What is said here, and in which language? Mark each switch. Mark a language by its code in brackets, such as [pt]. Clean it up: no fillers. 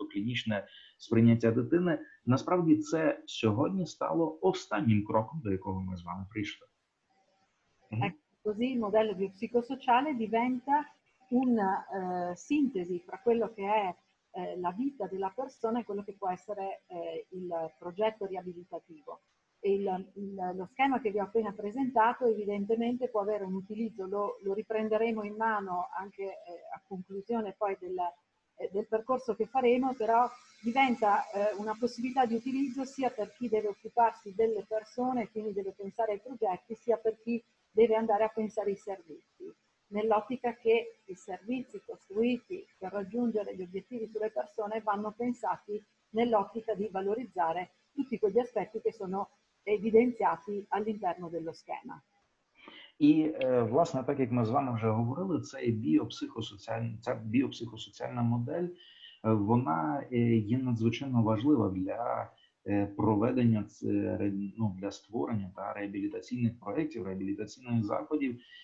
[uk] Тобто клінічне сприйняття дитини, насправді це сьогодні стало останнім кроком, до якого ми з вами прийшли. [it] Così il modello biopsicosociale diventa una sintesi fra quello che è la vita della persona e quello che può essere il progetto riabilitativo. Lo schema che vi ho appena presentato evidentemente può avere un utilizzo, lo riprenderemo in mano anche a conclusione poi del percorso che faremo, però diventa una possibilità di utilizzo sia per chi deve occuparsi delle persone, quindi deve pensare ai progetti, sia per chi deve andare a pensare ai servizi, nell'ottica che i servizi costruiti per raggiungere gli obiettivi sulle persone vanno pensati nell'ottica di valorizzare tutti quegli aspetti che sono evidenziati all'interno dello schema. [uk] І, власне, так як ми з вами вже говорили, ця біопсихосоціальна модель, вона є надзвичайно важлива для проведення, для створення та реабілітаційних проєктів, реабілітаційних заходів.